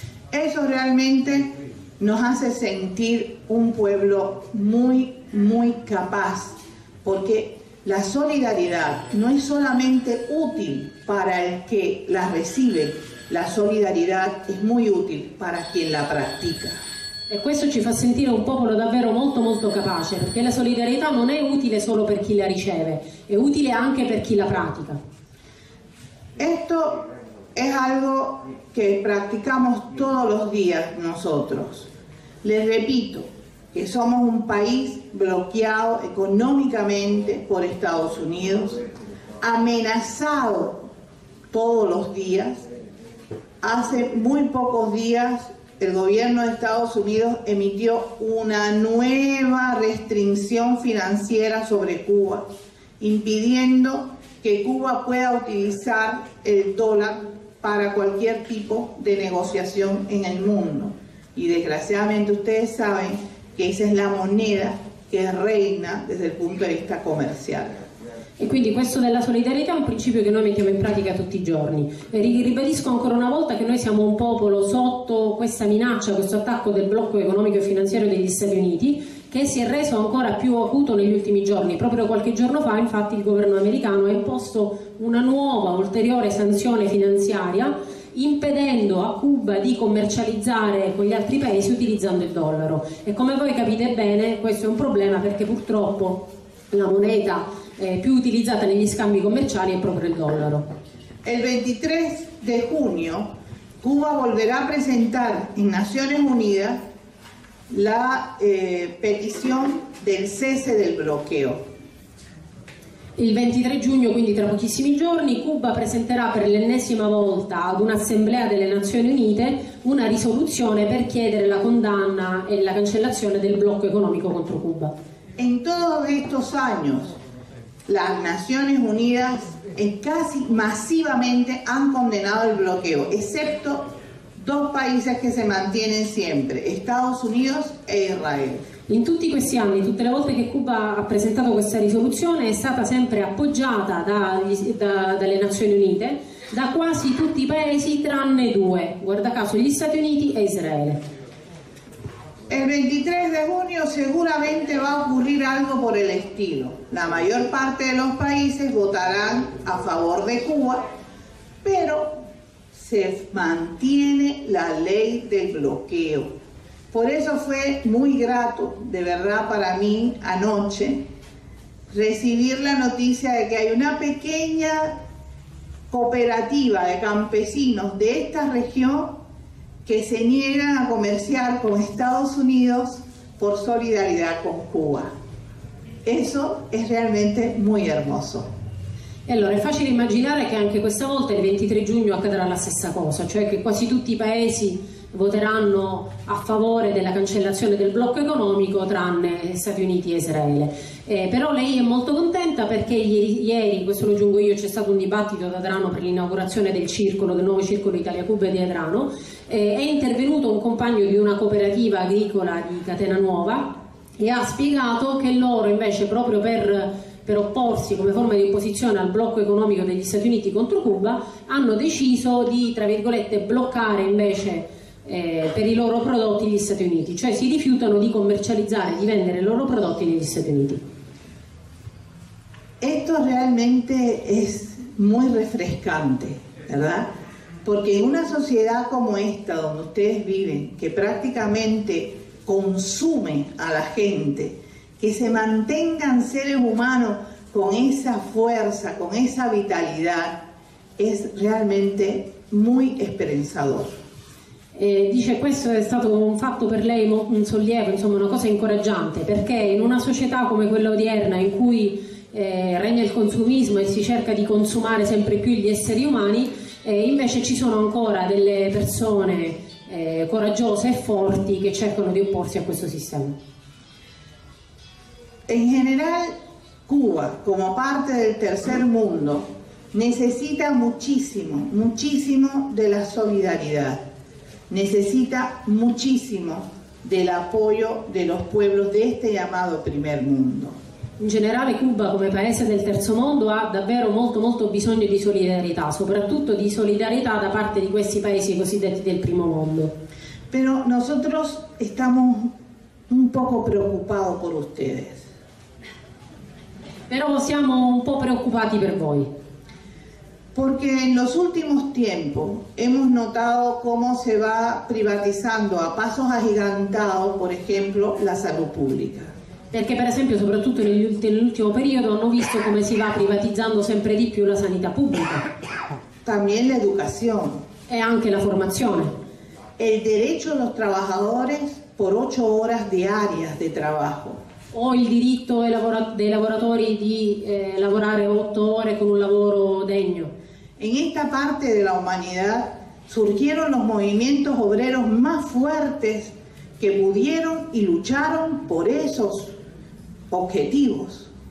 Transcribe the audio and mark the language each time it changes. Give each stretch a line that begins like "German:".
Spanish: Eso realmente nos hace sentir un pueblo muy, muy capaz, porque la solidaridad no es solamente útil para el que la recibe, la solidaridad es muy útil para quien la practica.
Italian: E questo ci fa sentire un popolo davvero molto molto capace, perché la solidarietà non è utile solo per chi la riceve, è utile anche per chi la pratica.
Spanish: Esto es algo que practicamos todos los días nosotros. Les repito que somos un país bloqueado económicamente por Estados Unidos, amenazado todos los días. Hace muy pocos días el gobierno de Estados Unidos emitió una nueva restricción financiera sobre Cuba, impidiendo que Cuba pueda utilizar el dólar para cualquier tipo de negociación en el mundo. Y desgraciadamente ustedes saben que esa es la moneda que reina desde el punto de vista comercial.
Italian: E quindi questo della solidarietà è un principio che noi mettiamo in pratica tutti i giorni. E ribadisco ancora una volta che noi siamo un popolo sotto questa minaccia, questo attacco del blocco economico e finanziario degli Stati Uniti, che si è reso ancora più acuto negli ultimi giorni. Proprio qualche giorno fa, infatti, il governo americano ha imposto una nuova, ulteriore sanzione finanziaria, impedendo a Cuba di commercializzare con gli altri paesi utilizzando il dollaro. E come voi capite bene, questo è un problema perché purtroppo la moneta più utilizzata negli scambi commerciali è proprio il dollaro.
Spanish: El 23 de junio Cuba volverá a presentar en Naciones Unidas la petición del cese del bloqueo.
Italian: Il 23 giugno, quindi tra pochissimi giorni, Cuba presenterà per l'ennesima volta ad un'assemblea delle Nazioni Unite una risoluzione per chiedere la condanna e la cancellazione del blocco economico contro Cuba.
Spanish: En todos estos años, las Naciones Unidas casi masivamente han condenado el bloqueo, excepto dos países que se mantienen siempre, Estados Unidos e Israel.
Italian: In tutti questi anni, tutte le volte che Cuba ha presentato questa risoluzione, è stata sempre appoggiata dalle Nazioni Unite, da quasi tutti i paesi, tranne due, guarda caso, gli Stati Uniti e Israele.
Spanish: El 23 de junio seguramente va a ocurrir algo por el estilo. La mayor parte de los países votarán a favor de Cuba, pero se mantiene la ley del bloqueo. Por eso fue muy grato, de verdad, para mí anoche recibir la noticia de que hay una pequeña cooperativa de campesinos de esta región que se niegan a comerciar con Estados Unidos por solidaridad con Cuba. Eso es realmente muy hermoso.
Italian: E allora, è facile immaginare che anche questa volta, il 23 giugno, accadrà la stessa cosa, cioè che quasi tutti i paesi voteranno a favore della cancellazione del blocco economico, tranne Stati Uniti e Israele. Però lei è molto contenta perché ieri, questo lo aggiungo io, c'è stato un dibattito ad Adrano per l'inaugurazione del circolo, del nuovo circolo Italia-Cuba di Adrano, è intervenuto un compagno di una cooperativa agricola di Catena Nuova e ha spiegato che loro invece, proprio per opporsi come forma di opposizione al blocco economico degli Stati Uniti contro Cuba, hanno deciso di, tra virgolette, bloccare invece per i loro prodotti gli Stati Uniti, cioè si rifiutano di commercializzare, di vendere i loro prodotti negli Stati Uniti.
Spanish: Esto realmente es muy refrescante, ¿verdad? Porque en una sociedad como esta donde ustedes viven, que prácticamente consume a la gente, que se mantengan seres humanos con esa fuerza, con esa vitalidad, es realmente muy esperanzador.
Italian: Dice questo è stato un fatto per lei, un sollievo, insomma una cosa incoraggiante, perché in una società come quella odierna in cui regna il consumismo e si cerca di consumare sempre più gli esseri umani, invece ci sono ancora delle persone coraggiose e forti che cercano di opporsi a questo sistema. In generale Cuba, come parte del terzo mondo, necessita moltissimo, moltissimo della solidarietà.
Spanish: Necesita muchísimo del apoyo de los pueblos de este llamado primer mundo.
Italian: In generale Cuba come paese del terzo mondo ha davvero molto molto bisogno di solidarietà, soprattutto di solidarietà da parte di questi paesi cosiddetti del primo mondo.
Spanish: Pero nosotros estamos un poco preocupados por ustedes.
Italian: Però siamo un po' preoccupati per voi.
Spanish: Porque en los últimos tiempos hemos notado cómo se va privatizando a pasos agigantados, por ejemplo, la salud pública.
Italian: Porque, por ejemplo, sobre todo en el último periodo, hemos visto cómo se va privatizando siempre de más la sanidad pública.
Spanish: También la educación. Y también la formación. El derecho de los trabajadores por 8 horas diarias de trabajo.
Italian: O il diritto dei lavoratori di lavorare 8 ore con un lavoro degno. In questa parte della umanità surgirono i movimenti
Spanish: obreros
Italian: più forti che
Spanish: pudieron e lucharon
Italian: per
Spanish: esos
Italian: obiettivos.